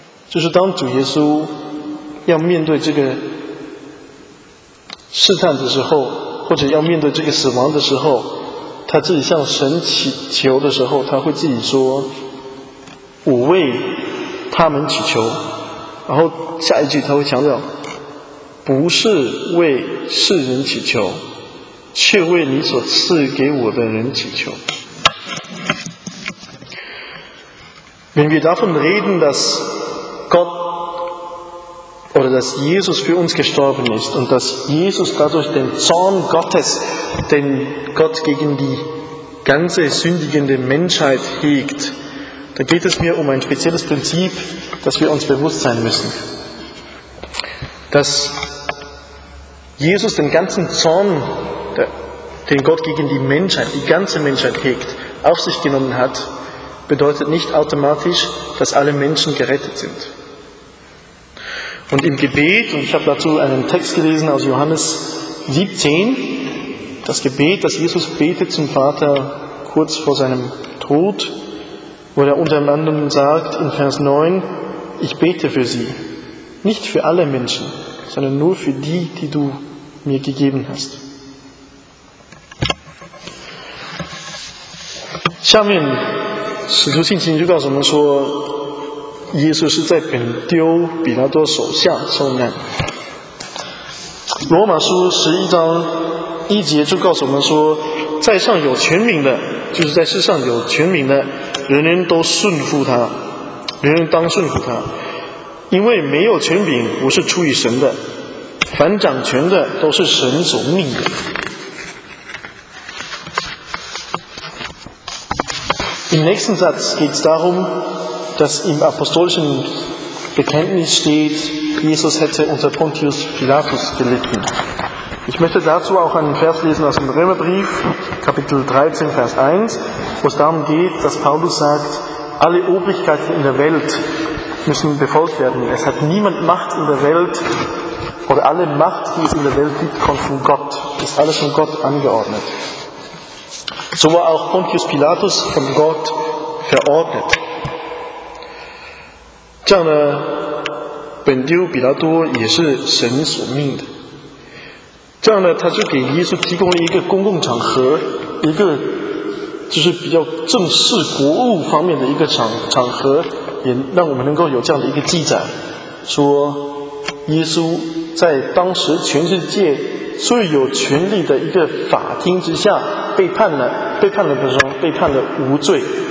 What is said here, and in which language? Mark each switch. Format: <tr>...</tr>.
<zh>就是当主耶稣要面对这个试探的时候，或者要面对这个死亡的时候，他自己向神祈求的时候，他会自己说，我为他们祈求，然后下一句他会强调，不是为世人祈求，却为你所赐给我的人祈求。</zh> <de>Wenn wir davon reden, dass Gott oder dass Jesus für uns gestorben ist und dass Jesus dadurch den Zorn Gottes, den Gott gegen die ganze sündigende Menschheit hegt, da geht es mir um ein spezielles Prinzip, das wir uns bewusst sein müssen. Dass Jesus den ganzen Zorn, den Gott gegen die Menschheit, die ganze Menschheit hegt, auf sich genommen hat, bedeutet nicht automatisch, dass alle Menschen gerettet sind. Und im Gebet, und ich habe dazu einen Text gelesen aus Johannes 17, das Gebet, das Jesus betet zum Vater kurz vor seinem Tod, wo er unter anderem sagt in Vers 9, ich bete für sie, nicht für alle Menschen, sondern nur für die, die du mir gegeben hast.</de> <zh>下面使徒信心就告诉我们说，耶稣是在本丢比拉多手下受难。罗马书十一章一节就告诉我们说，在上有权柄的，就是在世上有权柄的，人人都顺服他，人人当顺服他，因为没有权柄不是出于神的，凡掌权的都是神所命的。</zh> <de>Im nächsten Satz geht es darum, dass im apostolischen Bekenntnis steht, Jesus hätte unter Pontius Pilatus gelitten. Ich möchte dazu auch einen Vers lesen aus dem Römerbrief, Kapitel 13, Vers 1, wo es darum geht, dass Paulus sagt, alle Obrigkeiten in der Welt müssen befolgt werden. Es hat niemand Macht in der Welt, oder alle Macht, die es in der Welt gibt, kommt von Gott. Es ist alles von Gott angeordnet. So war auch Pontius Pilatus von Gott verordnet.</de> <zh>这样呢，本丢比拉多也是神所命的。这样呢，他就给耶稣提供了一个公共场合，一个就是比较正式国务方面的一个场合，也让我们能够有这样的一个记载，说耶稣在当时全世界最有权力的一个法庭之下被判了无罪。</zh>